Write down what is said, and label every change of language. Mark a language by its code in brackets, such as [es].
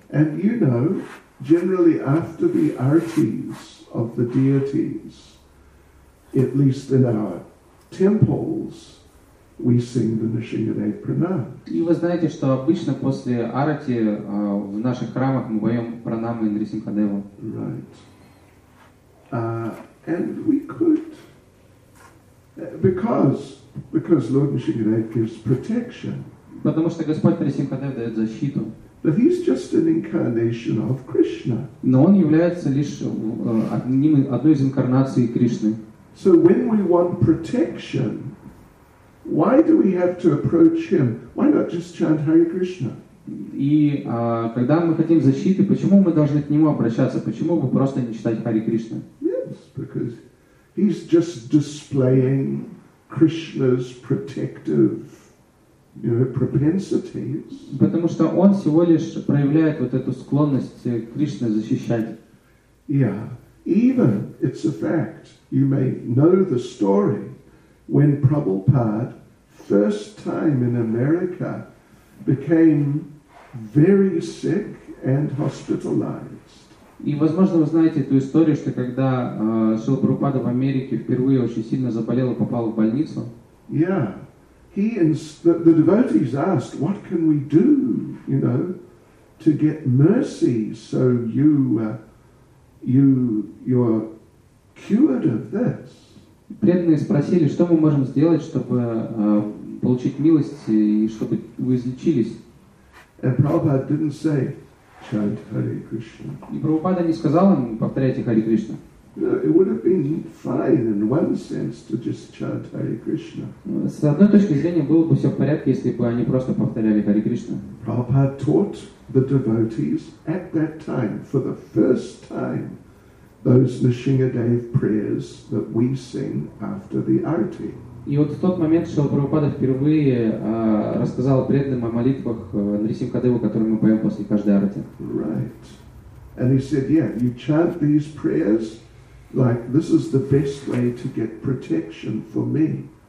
[en] And you know, generally after the artis of the deities, at least in our temples, we sing the Nrisimhadev pranam. [ru] И вы знаете, что обычно после арати в наших храмах мы поем пранамы Нрисимхадеву. [en] Right. And we could. Because Lord Nrisimhadev gives protection. [ru] Потому что Господь Нрисимхадев дает защиту. [en] But he's just an incarnation of Krishna. [ru] Но он является лишь одной из инкарнаций Кришны. [en] So when we want protection, why do we have to approach him? Why not just chant Hare Krishna? [ru] И когда мы хотим защиты, почему мы должны к нему обращаться? Почему бы просто не читать Hare Krishna? [en] Yes, because he's just displaying Krishna's protective, you know, propensities. [ru] Потому что он всего лишь проявляет вот эту склонность Кришны защищать. [en] Yeah, even it's a fact. You may know the story when Prabhupada, first time in America, became very sick and hospitalized. [ru] И, возможно, вы знаете эту историю, что когда Шрила Прабхупада в Америке впервые очень сильно заболел и попал в больницу. [en] Yeah, he and the devotees asked, "What can we do, you know, to get mercy so you're cured of this?" [ru] Преданные спросили, что мы можем сделать, чтобы получить милость и чтобы вы излечились. [en] And Prabhupada didn't say. Chant Hare Krishna. [ru] И Прабхупада не сказал им повторяйте Хари Кришна. [en] It would have been fine in one sense to just chant Hare Krishna. [ru] С одной точки зрения было бы все в порядке, если бы они просто повторяли Хари Кришна. [en] Prabhupada taught the devotees at that time for the first time those Nrisimhadev prayers that we sing after the arti. [ru] И вот в тот момент Шрила Прабхупада впервые рассказал преданным о молитвах Нрисимхадеву, которые мы поем после каждой арати. [en] Right. And he said, yeah, you chant these prayers, like this is the best way to get protection for me.